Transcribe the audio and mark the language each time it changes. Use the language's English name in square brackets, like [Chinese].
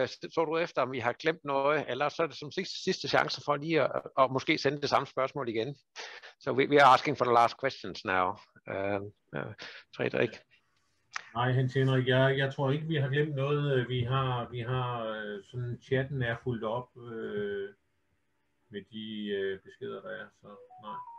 [Danish] Så du efter, om vi har glemt noget, eller så er det som sidste chance for lige at måske sende det samme spørgsmål igen. [English] So we are asking for the last questions now, Frederic. [Danish] Nej, Hans Henrik, jeg tror ikke, vi har glemt noget. Vi har sådan chatten er fuldt op med de beskeder, der er, så nej.